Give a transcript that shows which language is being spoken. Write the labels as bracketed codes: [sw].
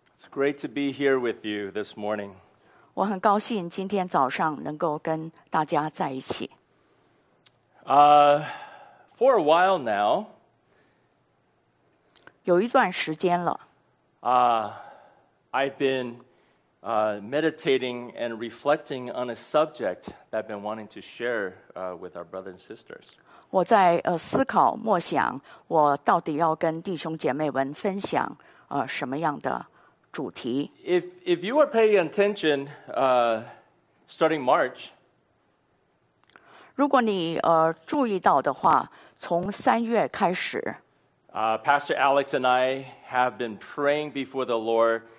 [en] It's great to be here with you this morning. [zh] 我很高兴今天早上能够跟大家在一起。 [en] For a while now, [zh] 有一段时间了。 [en] I've been meditating and reflecting on a subject that I've been wanting to share with our brothers and sisters. [zh] 我在思考默想，我到底要跟弟兄姐妹们分享什么样的主题。 [en] If you are paying attention, starting March. [zh] 如果你注意到的话，从三月开始。 [en] Pastor Alex and I have been praying before the Lord.